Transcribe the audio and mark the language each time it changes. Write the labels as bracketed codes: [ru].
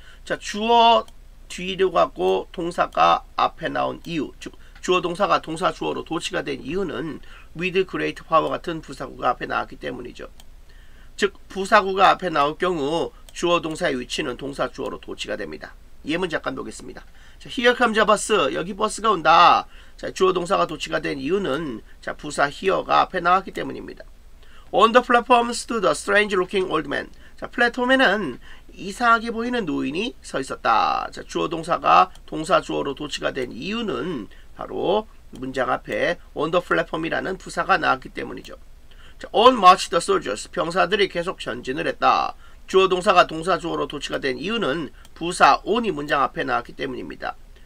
[ko] 자, 주어 뒤로 가고 동사가 앞에 나온 이유, 즉 주어 동사가 동사 주어로 도치가 된 이유는 [en] with great power [ko] 같은 부사구가 앞에 나왔기 때문이죠. 즉 부사구가 앞에 나올 경우 주어 동사의 위치는 동사 주어로 도치가 됩니다. 예문 잠깐 보겠습니다. 자, [en] here comes a bus. [ko] 여기 버스가 온다. 자, 주어 동사가 도치가 된 이유는 자, 부사 here가 앞에 나왔기 때문입니다. [en] On the platform stood a strange looking old man. [ko] 자, 플랫폼에는 이상하게 보이는 노인이 서 있었다. 자, 주어 동사가 동사 주어로 도치가 된 이유는 바로 문장 앞에 [en] on the platform [ko] 이라는 부사가 나왔기 때문이죠. [en] 자, on march the soldiers. [ko] 병사들이 계속 전진을 했다. 주어 동사가 동사 주어로 도치가 된 이유는 부사 on이 문장 앞에 나왔기 때문입니다.